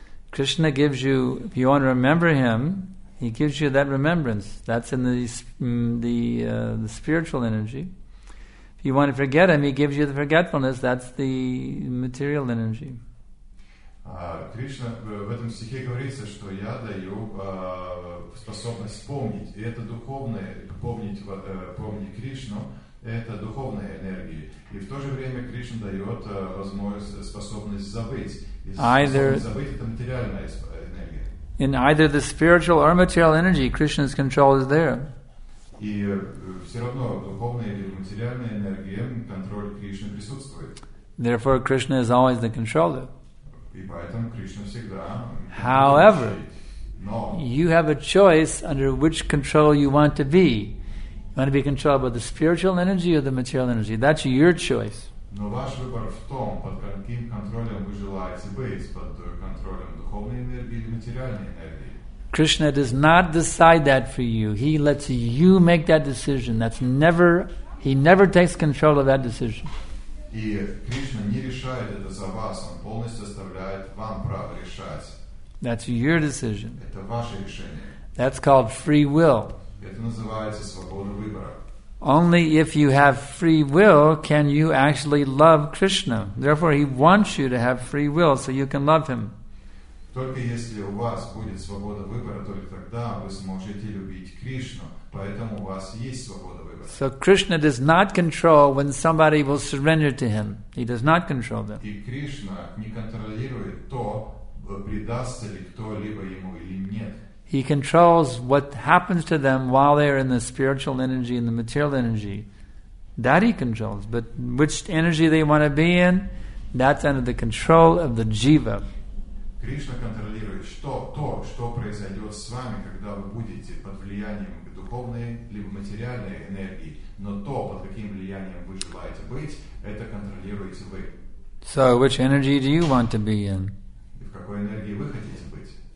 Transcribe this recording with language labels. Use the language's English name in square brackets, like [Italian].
[English] Krishna gives you, if you want to remember him, he gives you that remembrance. That's in the spiritual energy. If you want to forget him, he gives you the forgetfulness. That's the material energy. [Russian] Кришна в этом стихе говорится, что я даю способность вспомнить. И это духовное, помнить Кришну, это духовная энергия. И в то же время Кришна дает возможность, способность забыть. [English] Either [Russian] забыть это материальное. [English] In either the spiritual or material energy, Krishna's control is there. [Russian] И все равно духовная или материальная энергия, контроль Кришны присутствует. [English] Therefore, Krishna is always the controller. [Russian] И поэтому Кришна всегда. [English] However, [Russian] но [English] you have a choice under which control you want to be. You want to be controlled by the spiritual energy or the material energy? That's your choice. [Russian] Но ваш выбор в том, под каким контролем вы желаете быть, под контролем духовной энергии или материальной энергии. [English] Krishna does not decide that for you. He lets you make that decision. He never takes control of that decision. [Russian] И Кришна не решает это за вас. Он полностью оставляет вам право решать. [English] That's your decision. [Russian] Это ваше решение. [English] That's called free will. [Russian] Это называется свобода выбора. [English] Only if you have free will can you actually love Krishna. Therefore, he wants you to have free will so you can love him. [Russian] Только если у вас будет свобода выбора, только тогда вы сможете любить Кришну. Поэтому у вас есть свобода выбора. [English] So Krishna does not control when somebody will surrender to him. He does not control them. [Russian] И Кришна не контролирует то, предастся ли кто-либо ему или нет. [English] He controls what happens to them while they are in the spiritual energy and the material energy. That he controls. But which energy they want to be in, that's under the control of the jiva. [Russian] Krishna контролирует что произойдет с вами, когда вы будете под влиянием духовной либо материальной энергии. Но то, под каким влиянием вы желаете быть, это контролируете вы. [English] So which energy do you want to be in? [Russian] И в какой энергии вы хотите быть?